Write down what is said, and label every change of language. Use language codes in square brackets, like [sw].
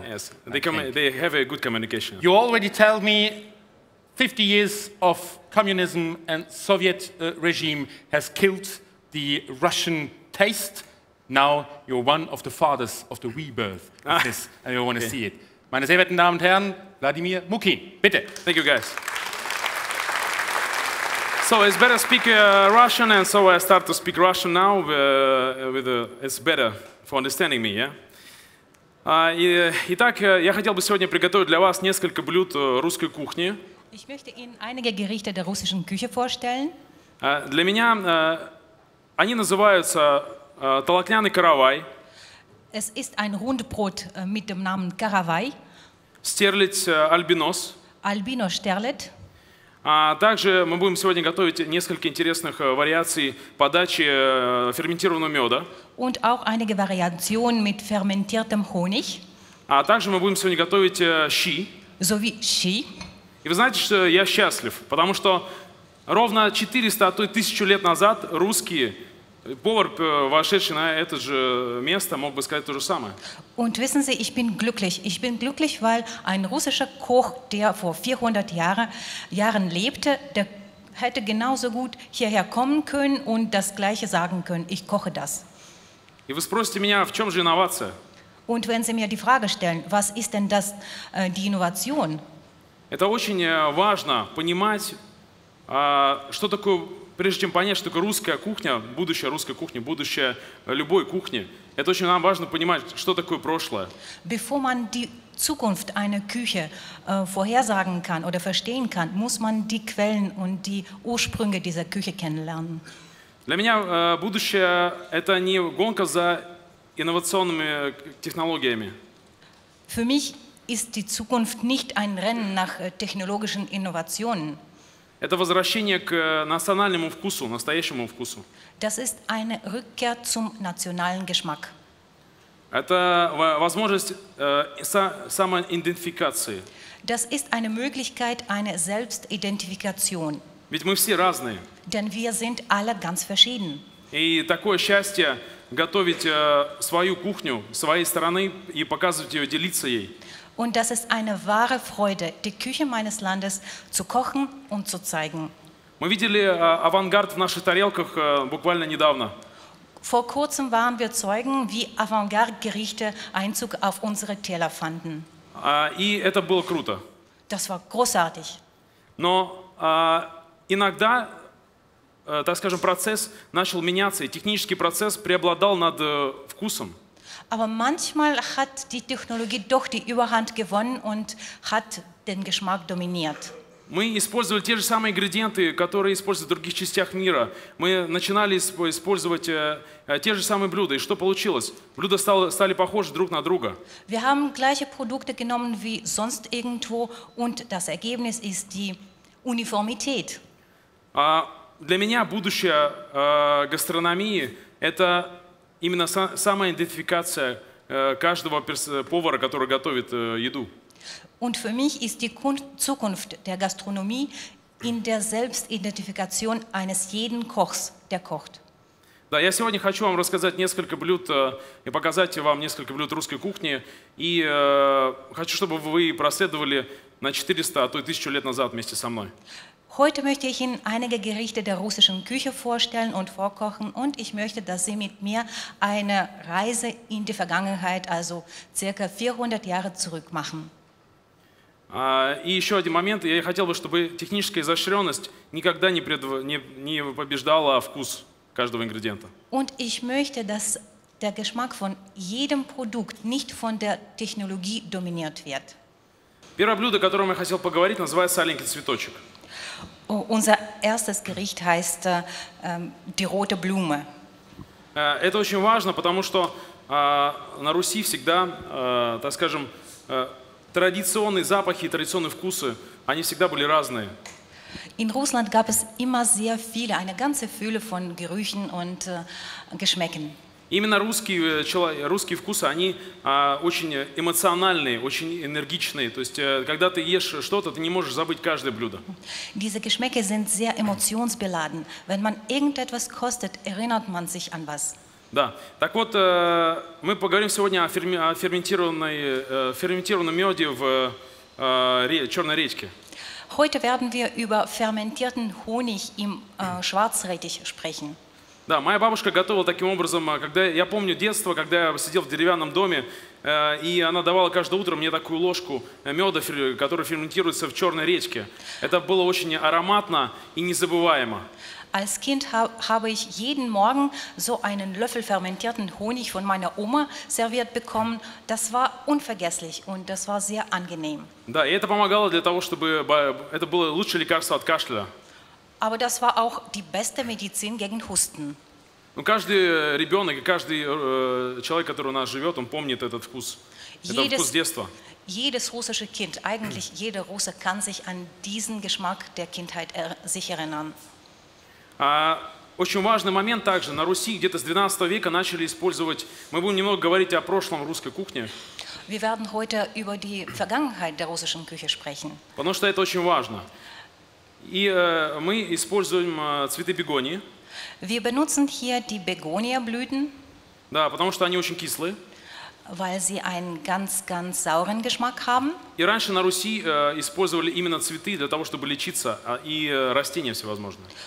[en] Yes, they have a good communication. You already tell me 50 years of communism and Soviet regime has killed the Russian taste. Now you're one of the fathers of the rebirth of this, and you want to see it. [de] Meine sehr verehrten Damen und Herren, Vladimir Mukin, bitte. [en] Thank you, guys. So it's better speak Russian, and so I start to speak Russian now. It's better for understanding me, yeah? [ru] Итак, я хотел бы сегодня приготовить для вас несколько блюд русской кухни. [de] Ich möchte Ihnen einige Gerichte der russischen Küche vorstellen. [ru] Для меня они называются толокняный каравай. [de] Es ist ein Rundbrot mit dem Namen Karawai. [ru] Стерлядь альбинос. [de] Albino Sterlet. [ru] Также мы будем сегодня готовить несколько интересных вариаций подачи ферментированного меда. [de] Und auch einige Variationen mit fermentiertem Honig. [ru] Также мы будем сегодня готовить щи. [de] So wie щи. [ru] И вы знаете, что я счастлив, потому что ровно 400, а то и 1000 лет назад русские повар, вошедший на это же место, мог бы сказать то же самое. [de] Und wissen Sie, ich bin glücklich, weil ein russischer Koch, der vor 400 Jahren lebte, der hätte genauso gut hierher kommen können und das Gleiche sagen können: Ich koche das. [ru] И вы спросите меня, в чем же инновация? [de] Und wenn Sie mir die Frage stellen, was ist denn das, die Innovation? [ru] Это очень важно понимать, что такое. Прежде чем понять, что такое русская кухня, будущее русской кухни, будущее любой кухни, это очень нам важно понимать, что такое прошлое. [de] Bevor man die Zukunft einer Küche vorhersagen kann oder verstehen kann, muss man die Quellen und die Ursprünge dieser Küche kennenlernen. [ru] Для меня будущее – это не гонка за инновационными технологиями. [de] Für mich ist die Zukunft nicht ein Rennen nach technologischen Innovationen. [ru] Это возвращение к национальному вкусу, настоящему вкусу. [de] Das ist eine Rückkehr zum nationalen Geschmack. [ru] Это возможность самоидентификации. [de] Das ist eine Möglichkeit, eine Selbstidentifikation. [ru] Ведь мы все разные. [de] Denn wir sind alle ganz verschieden. [ru] И такое счастье готовить свою кухню своей страны и показывать ее, делиться ей. [de] Und das ist eine wahre Freude, die Küche meines Landes zu kochen und zu zeigen. [ru] Мы видели авангард в наших тарелках буквально недавно. [de] Vor kurzem waren wir Zeugen, wie Avantgarde-Gerichte Einzug auf unsere Teller fanden. [ru] И это было круто. [de] Das war großartig. [ru] Но иногда, так скажем, процесс начал меняться, и технический процесс преобладал над вкусом. [de] Aber manchmal hat die Technologie doch die Überhand gewonnen und hat den Geschmack dominiert. [ru] Мы использовали те же самые ингредиенты, которые используют в других частях мира. Мы начинали использовать те же самые блюда. И что получилось? Блюда стали похожи друг на друга. [de] Wir haben gleiche Produkte genommen wie sonst irgendwo und das Ergebnis ist die Uniformität. [ru] Для меня будущее гастрономии – это именно самоидентификация каждого повара, который готовит еду. [de] Und für mich ist die Zukunft der Gastronomie in der Selbstidentifikation eines jeden Kochs, der kocht. [ru] Да, я сегодня хочу вам рассказать несколько блюд и показать вам несколько блюд русской кухни. И хочу, чтобы вы проследовали на 400, а то и 1000 лет назад вместе со мной. [de] Heute möchte ich Ihnen einige Gerichte der russischen Küche vorstellen und vorkochen und ich möchte, dass Sie mit mir eine Reise in die Vergangenheit, also circa 400 Jahre zurück machen. [ru] И еще один момент. Я хотел бы, чтобы техническая изощренность никогда не побеждала вкус каждого ингредиента. [de] Und ich möchte, dass der Geschmack von jedem Produkt nicht von der Technologie dominiert wird. [ru] Первое блюдо, о котором я хотел поговорить, называется «Аленький цветочек». [de] Unser erstes Gericht heißt «Die rote Blume». [ru] Это очень важно, потому что на Руси всегда, так скажем, традиционные запахи и традиционные вкусы, они всегда были разные. [de] In Russland gab es immer sehr viele, eine ganze Fülle von Gerüchen und Geschmäcken. [ru] Именно русские вкусы, они очень эмоциональные, очень энергичные. То есть, когда ты ешь что-то, ты не можешь забыть каждое блюдо. [de] Diese Geschmäcke sind sehr emotionsbeladen. Wenn man irgendetwas kostet, erinnert man sich an was. [ru] Да. Так вот, мы поговорим сегодня о ферментированном меде в Черной Редьке. [de] Heute werden wir über fermentierten Honig im Schwarzrettich sprechen. [ru] Да, моя бабушка готовила таким образом, когда я помню детство, когда я сидел в деревянном доме, и она давала каждое утро мне такую ложку меда, который ферментируется в Черной Редьке. Это было очень ароматно и незабываемо. [de] Als Kind habe ich jeden Morgen so einen Löffel fermentierten Honig von meiner Oma serviert bekommen. Das war unvergesslich und das war sehr angenehm. [ru] Да, и это помогало для того, чтобы это было лучшее лекарство от кашля. [de] Aber das war auch die beste Medizin gegen Husten. [ru] Ну, каждый ребенок и каждый человек, который у нас живет, он помнит этот вкус. Это вкус детства. [de] Jedes russische Kind, eigentlich jeder Russe, kann sich an diesen Geschmack der Kindheit sich erinnern. [ru] Очень важный момент также. На Руси где-то с 12 века начали использовать... Мы будем немного говорить о прошлом русской кухне. [de] Wir werden heute über die Vergangenheit der russischen Küche sprechen. [ru] Потому что это очень важно. И мы используем цветы бегонии. [de] Wir benutzen hier die Begonia-Blüten. [ru] Да, потому что они очень кислые. [de] Weil sie einen ganz, ganz sauren Geschmack haben. [ru] И раньше на Руси использовали именно цветы для того, чтобы лечиться, и растения всевозможные.